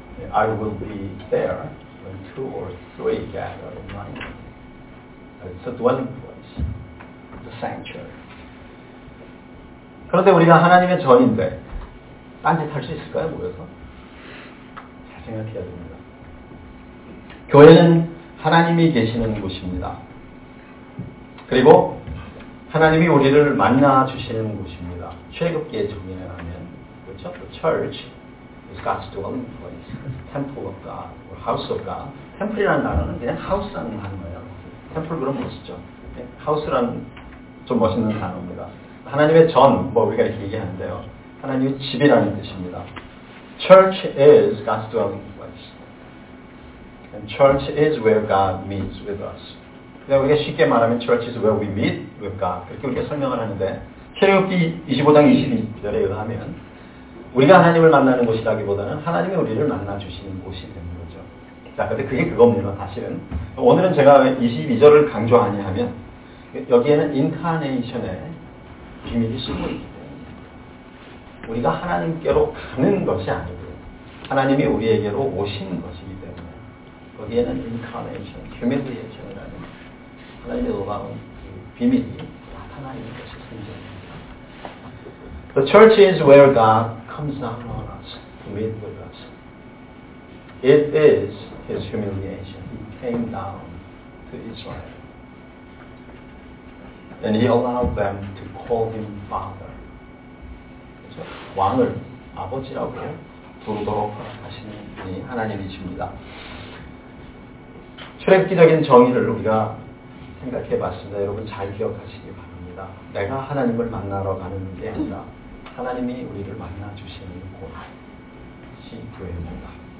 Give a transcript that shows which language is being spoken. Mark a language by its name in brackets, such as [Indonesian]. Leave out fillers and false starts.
[English] I will be there when two or three gather in my name. It's a dwelling place. It's a sanctuary. [Korean] 그런데 우리가 하나님의 전인데 딴짓 할 수 있을까요? 모여서? 잘 생각해야 됩니다. 교회는 하나님이 계시는 곳입니다. 그리고 하나님이 우리를 만나 주시는 곳입니다. 최급계 정의하면 그렇죠? [English] The church is God's dwelling place. Temple of God, or House of God. [Korean] Temple이라는 단어는 그냥 house라는 단어예요. Temple 그런 것이죠. House라는 좀 멋있는 단어입니다. 하나님의 전, 뭐 우리가 이렇게 얘기하는데요. 하나님의 집이라는 뜻입니다. [English] Church is God's dwelling place. And church is where God meets with us. [Korean] 우리가 쉽게 말하면 Church is where we meet with God. 그렇게 우리가 설명을 하는데 출애굽기 25장 22절에 의하면 우리가 하나님을 만나는 곳이라기보다는 하나님이 우리를 만나주시는 곳이 되는 거죠. 자, 근데 그게 그겁니다. 사실은 오늘은 제가 왜 22절을 강조하냐 하면 여기에는 인카네이션의 비밀이 숨어 있기 때문에 우리가 하나님께로 가는 것이 아니고 하나님이 우리에게로 오신 것이기 때문에 거기에는 인카네이션, 휴메디에이션이라는 하나님의 놀라운 비밀이 나타나 있는 것이 성경입니다. [English] The church is where God comes down on us to meet with us. It is His humiliation. He came down to Israel. And He allowed them to call Him Father. [Korean] 그렇죠? 왕을 아버지라고 부르도록 하시는 분이 하나님이십니다. 출애굽기적인 정의를 우리가 생각해 봤습니다. 여러분 잘 기억하시기 바랍니다. 내가 하나님을 만나러 가는 게 아니라 하나님이 우리를 만나주시는 곳이 교회입니다.